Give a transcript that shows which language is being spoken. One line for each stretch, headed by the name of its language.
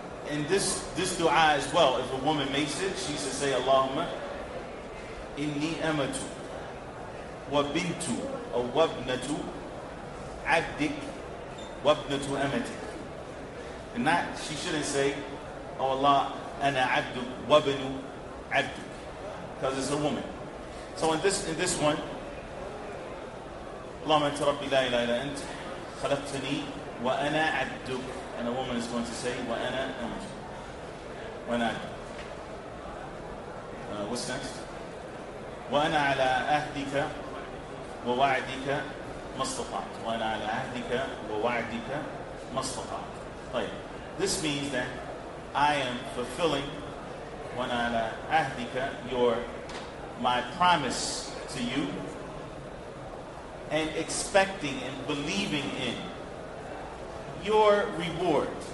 English: And this dua as well, if a woman makes it, she should say,
Arabic: Allahumma inni amatu wa bintu wa wabnatu abdik وَابْنَةُ أَمَتِكَ.
English: And not, she shouldn't say, oh Allah,
Arabic: أَنَا عَبْدُ وَابْنُ عَبْدُكَ.
English: Because it's a woman. So in this one,
Arabic: اللهم أنت ربي لا إله إلا أنت خلقتني وأنا عبدك.
English: And a woman is going to say,
Arabic: وأنا أمتك. وأنا عبدك.
English: What's next?
Arabic: وأنا على أهدك ووعدك ما استطعت. وأنا على أهدك ووعدك ما استطعت. طيب.
English: This means that I am fulfilling
Arabic: وأنا على أهدك
English: my promise to you, and expecting and believing in your reward.